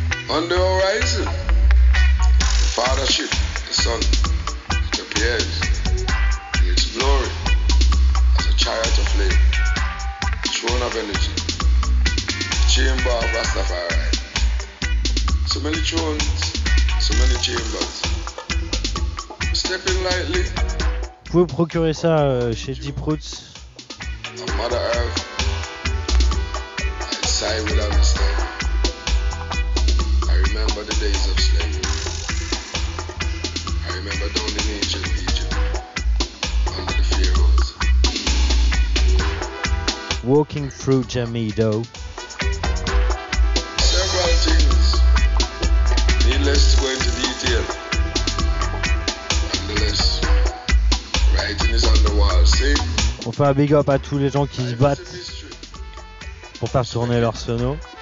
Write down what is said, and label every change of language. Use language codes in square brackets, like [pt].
[en] On the horizon, the fathership, the sun, it appears in its glory as a chariot of flame, throne of energy, the chamber of Rastafari. So many thrones, so many chambers. Stepping lightly. [fr] Vous pouvez procurer ça chez Deep Roots. [en] On Mother Earth, I sigh with understanding. Remember the days of slavery. I remember down in ancient Egypt, under the pharaohs. Walking through Jamilo. Several things, needless to go into detail. Unless writing is on the wall, see? [fr] On fait un big up à tous les gens qui se battent pour faire tourner leur sono.